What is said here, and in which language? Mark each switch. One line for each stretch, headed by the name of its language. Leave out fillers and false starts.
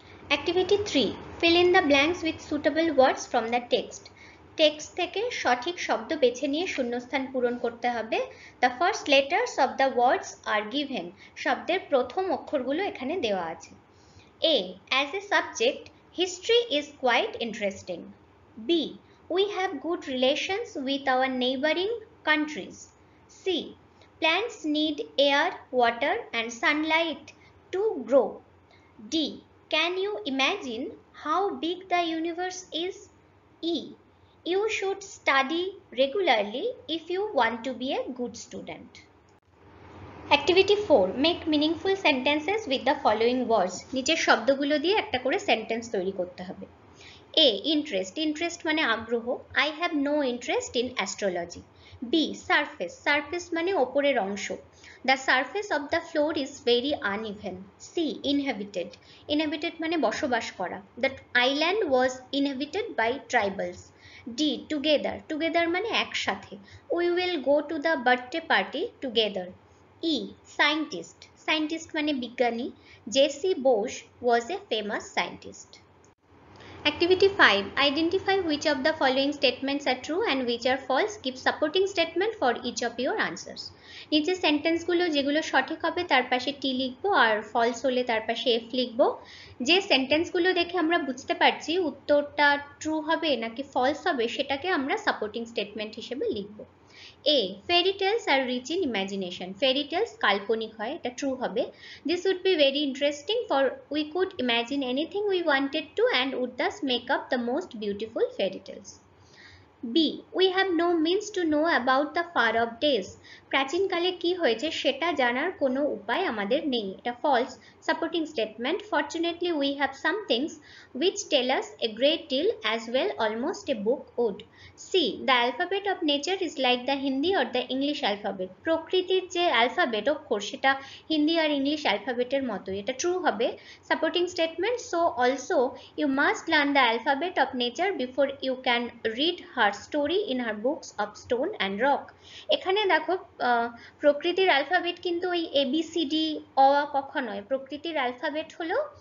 English: activity 3 fill in the blanks with suitable words from the text
Bangla: text থেকে সঠিক শব্দ বেছে নিয়ে শূন্যস্থান পূরণ করতে হবে
English: the first letters of the words are given
Bangla: শব্দের প্রথম অক্ষরগুলো এখানে দেওয়া আছে
English: A as a subject history is quite interesting B we have good relations with our neighbouring countries C. Plants need air, water and sunlight to grow. D. Can you imagine how big the universe is? E. You should study regularly if you want to be a good student. Activity 4. Make meaningful sentences with the following words.
Bangla: নিচের শব্দগুলো দিয়ে একটা করে sentence তৈরি করতে হবে. A. Interest. Interest মানে আগ্রহ.
English: I have no interest in astrology. B. Surface.
Bangla: Surface মানে ওপরের অংশ.
English: The surface of the floor is very uneven. C. Inhabited.
Bangla: Inhabited মানে বসবাস করা.
English: That island was inhabited by tribals. D. Together.
Bangla: Together মানে একসাথে.
English: We will go to the birthday party together. E. Scientist.
Bangla: Scientist মানে বিজ্ঞানী.
English: J.C. Bose was a famous scientist. Activity 5. Identify which of the following statements are true and which are false. Give supporting statement for each of your answers.
Bangla: নিচে সেন্টেন্সগুলো যেগুলো সঠিক হবে তার পাশে টি লিখবো আর false হলে তার পাশে এফ লিখবো। যে সেন্টেন্সগুলো দেখে আমরা বুঝতে পারছি উত্তরটা ট্রু হবে নাকি ফলস হবে সেটাকে আমরা সাপোর্টিং স্টেটমেন্ট হিসেবে লিখবো।
English: A. Fairy tales are rich in imagination.
Bangla: Fairy tales কাল্পনিক হয় এটা ট্রু হবে।
English: This would be very interesting for we could imagine anything we wanted to and would thus make up the most beautiful fairy tales. B. We have no means to know about the far off days.
Bangla: প্রাচীনকালে কি হয়েছে সেটা জানার কোনো উপায় আমাদের নেই এটা false supporting statement
English: fortunately we have some things which tell us a great deal as well almost a book would see the alphabet of nature is like the Hindi or the English alphabet
Bangla: প্রকৃতির যে alphabet অক্ষর সেটা হিন্দি আর English অ্যালফাবেটের মতোই এটা true হবে
English: supporting statement so also you must learn the alphabet of nature before you can read her story in her books of stone and rock
Bangla: এখানে দেখো প্রকৃতির অ্যালফাবেট কিন্তু ওই এবিসিডি অ আ ক খ নয় প্রকৃতির অ্যালফাবেট হলো